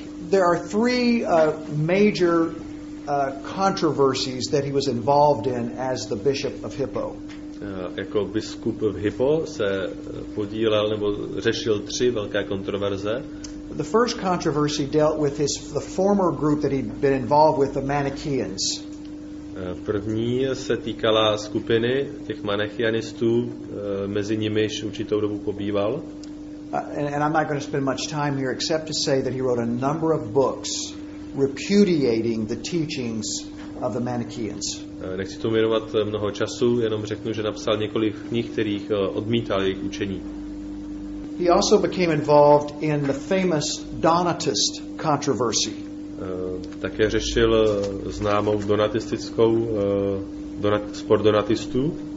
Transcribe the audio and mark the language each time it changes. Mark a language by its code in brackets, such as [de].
[en] There are three major controversies that he was involved in as the bishop of Hippo. [cs] Jako biskup v Hippo se podílel nebo řešil tři velké kontroverze. [en] The first controversy dealt with the former group that he'd been involved with, the Manichaeans. [cs] První se týkala skupiny těch manichianistů, mezi nimiž určitou dobu pobýval. [en] And I'm not going to spend much time here except to say that he wrote a number of books repudiating the teachings of the Manichaeans. [cs] Nechci tomu věnovat mnoho času, jenom řeknu, že napsal několik knih, kterých odmítal jejich učení. [en] He also became involved in the famous Donatist controversy. [cs] Také řešil známou donatistickou spor donatistů.